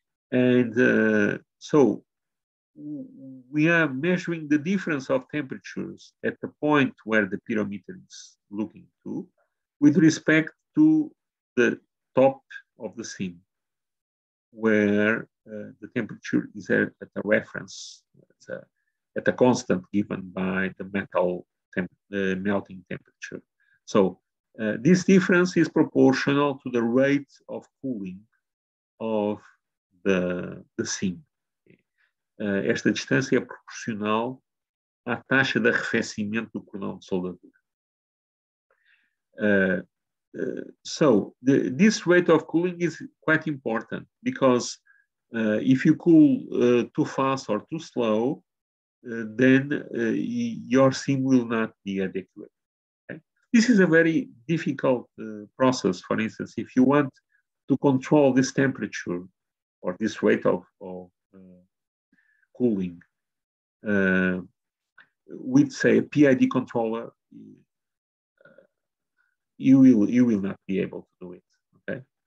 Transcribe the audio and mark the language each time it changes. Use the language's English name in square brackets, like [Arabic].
[English] And so we are measuring the difference of temperatures at the point where the pyrometer is looking to with respect to the top of the seam, where the temperature is at a reference, at a constant given by the metal melting temperature. So this difference is proportional to the rate of cooling of the seam. [Portuguese] Esta distância é proporcional à taxa de arrefecimento do cordão de soldadura. [English] This rate of cooling is quite important because if you cool too fast or too slow, then your seam will not be adequate. This is a very difficult process. For instance, if you want to control this temperature or this rate of cooling with, say, a PID controller, you will not be able to do it. Okay.